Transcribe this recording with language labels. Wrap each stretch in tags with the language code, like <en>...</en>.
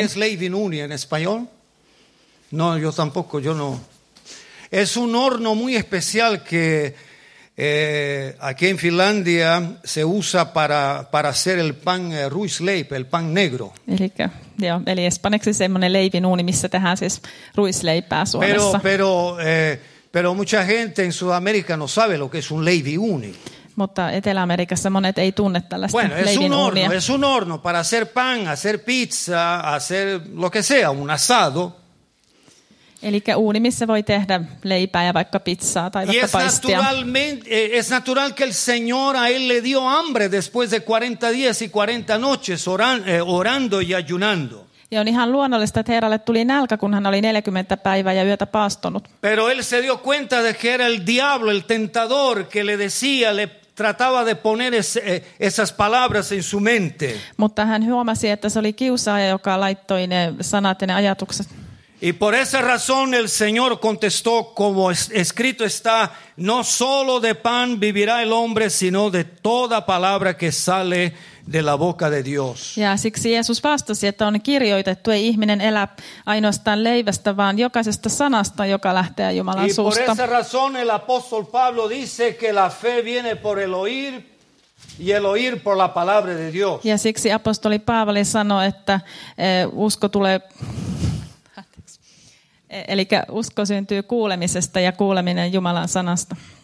<es>¿Qué es leivin uuni en español? No, yo tampoco, yo no. Es un horno muy especial que aquí en Finlandia se usa para hacer el pan ruisleipä, el pan negro.</es> <fi>Eli espanjaksi semmoinen leivin uuni, missä tehdään siis ruisleipää Suomessa.</fi> <es>Pero mucha gente en Sudamérica no sabe lo que es un leivin uuni.</es> <fi>Mutta Etelä-Amerikassa monet ei tunne tällaista</fi> <es>bueno,</es> <fi>leivin uunia.</fi> <es>Bueno, es un horno para hacer pan, hacer pizza, hacer lo que sea, un asado.</es> <fi>Elikkä uuni, missä voi tehdä leipää ja vaikka pizzaa tai vaikka paistia.</fi> <es>Es natural que el Señor a él le dio hambre después de 40 días y 40 noches orando y ayunando.</es> <fi>Ja on ihan luonnollista, että Herralle tuli nälkä, kun hän oli 40 päivää ja yötä paastonut.</fi> <es>Pero él se dio cuenta de que era el diablo, el tentador, que le decía, le trataba de poner esas palabras en su mente.</es> <fi>Mutta hän huomasi, että se oli kiusaaja, joka laittoi ne sanat ja ne ajatukset.</fi> <es>Y por esa razón el Señor contestó, como escrito está, no solo de pan vivirá el hombre, sino de toda palabra que sale de la boca de Dios.</es> <fi>Ja siksi Jeesus vastasi, että on kirjoitettu, ei ihminen elä ainoastaan leivästä, vaan jokaisesta sanasta, joka lähtee Jumalan suusta.</fi> <es>Y por esa razón el apóstol Pablo dice que la fe viene por el oír. Y el oír por la palabra de Dios.</es> <fi>Ja siksi apostoli Paavali sanoi, että usko tulee... Eli usko syntyy kuulemisesta ja kuuleminen Jumalan sanasta.</fi>